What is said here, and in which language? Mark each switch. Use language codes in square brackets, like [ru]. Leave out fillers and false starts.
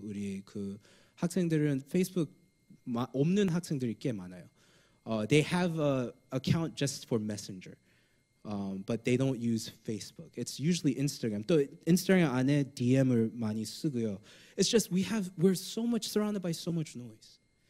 [ko] 우리 그 학생들은 페이스북 없는 학생들이 꽤 많아요. [en] They have an account just for Messenger, but they don't use Facebook. It's usually Instagram. [ko] 또 인스타그램 안에 DM을 많이 쓰고요. [en] It's just we're so much surrounded by so much noise.